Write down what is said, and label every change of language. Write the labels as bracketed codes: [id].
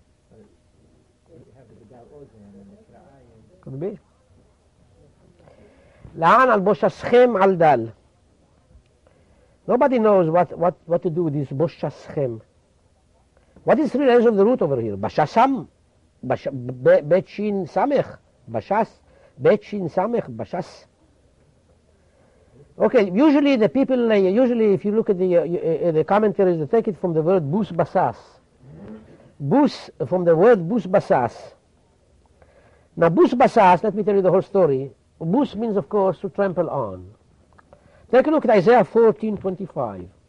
[en] But you have the Bedal Ozen and the Kira'ayim. Could be. [he] לאן על בושה שכם על דל. [en] Nobody knows what to do with this בושה שכם. What is three layers of the root over here? [he] בשה שם, בית שין סמך, בשס, בית שין סמך, בשס. [en] Okay, usually the people, usually if you look at the commentaries, they take it from the word בוס בסס. בוס, from the word בוס בסס. Now בוס בסס, let me tell you the whole story. Bus means, of course, to trample on. Take a look at Isaiah 14:25.